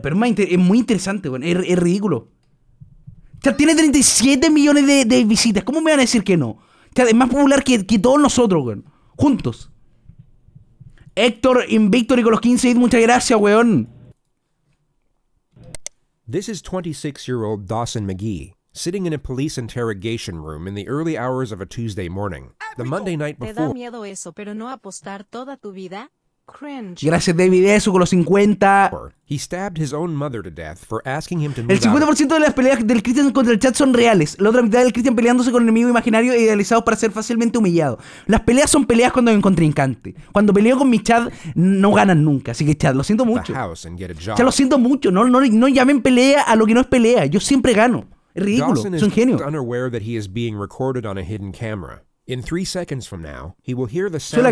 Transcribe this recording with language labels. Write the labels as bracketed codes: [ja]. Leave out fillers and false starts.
[es] Pero es muy interesante, weón. Es ridículo. Chat, tiene 37 millones de visitas. ¿Cómo me van a decir que no? Chat es más popular que todos nosotros, weón. Juntos. Héctor Invictor y con los 15 hits, muchas gracias, weón. [en] This is 26-year-old Dawson McGee, sitting in a police interrogation room in the early hours of a Tuesday morning. The Monday night before... [es] ¿Te da miedo eso, pero no apostar toda tu vida? Cringe. Gracias, David Esu, con los 50. [en] He stabbed his own mother to death for asking him to move [es] out. El 50% de las peleas del Christian contra el chat son reales. La otra mitad del Christian peleándose con un enemigo imaginario e idealizado para ser fácilmente humillado. Las peleas son peleas cuando hay un contrincante. Cuando peleo con mi chat, no ganan nunca. Así que, chat, lo siento mucho. Chat, lo siento mucho. No, no, no llamen pelea a lo que no es pelea. Yo siempre gano. Es ridículo. Es un genio. [en] Dawson is unaware that he is being recorded on a hidden camera. In 3 seconds from now, he will hear the sound